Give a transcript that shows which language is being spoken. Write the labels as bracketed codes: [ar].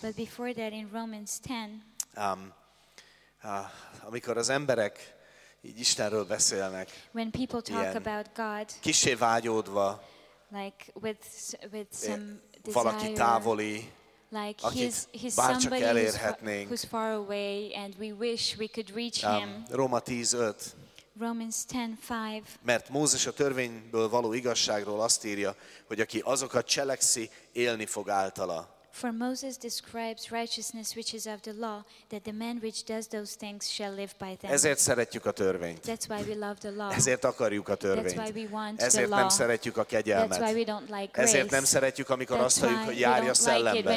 [en] But before that in Romans 10. [hu] Amikor az emberek így Istenről beszélnek. [en] When people talk about God. [hu] Kissé vágyódva. [en] Like with some desire. [hu] Valaki távoli. [en] Like he's [hu] bárcsak elérhetnénk. [en] Who's far away and we wish we could reach him. [hu] Róma 10:5. [en] Romans 10:5. [hu] Mert Mózes a törvényből való igazságról azt írja, hogy aki azokat cselekszi, élni fog általa. [en] For Moses describes righteousness which is of the law, that the man which does those things shall live by them. [hu] Ezért szeretjük a törvényt. [en] That's why we love the law. [hu] Ezért akarjuk a törvényt. [en] That's why we want [hu] ezért [en] the law. [hu] Nem szeretjük a kegyelmet. [en] That's why we don't like grace. [hu] Ezért nem szeretjük, amikor [en] that's [hu] azt halljuk, hogy járj a szellemben.